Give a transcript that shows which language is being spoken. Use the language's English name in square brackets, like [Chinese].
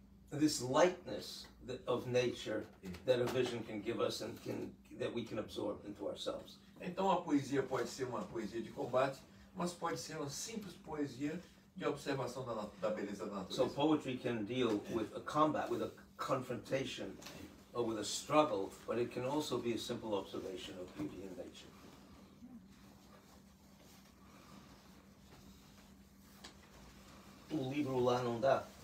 [English] This lightness of nature that a vision can give us and that we can absorb into ourselves. [Portuguese] Então a poesia pode ser uma poesia de combate, mas pode ser uma simples poesia de observação da beleza da natureza. [English] So poetry can deal with a combat, with a confrontation, or with a struggle, but it can also be a simple observation of beauty in nature. [Portuguese] O livro lá não dá.